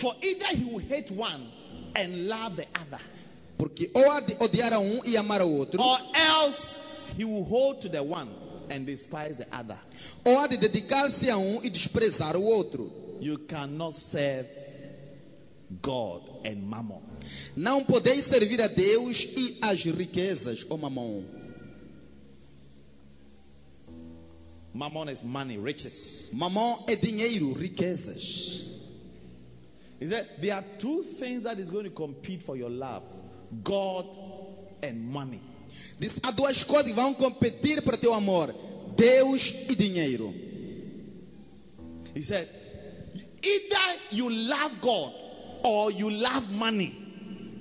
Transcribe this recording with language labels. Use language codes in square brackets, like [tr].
[en] For either he will hate one and love the other. [pt] Porque ou há de odiar a um e amar o outro. [en] Or else he will hold to the one and despise the other. [pt] Ou há de dedicar-se a um e desprezar o outro. [en] You cannot serve God and Mammon. [pt] Não podeis servir a Deus e as riquezas, ou Mammon. [en] Mammon is money, riches. [pt] Mammon é dinheiro, riquezas. [en] He said, there are two things that is going to compete for your love: God and money. [pt] Diz, há duas coisas que vão competir para teu amor: Deus e dinheiro. [en] He said, either you love God or you love money.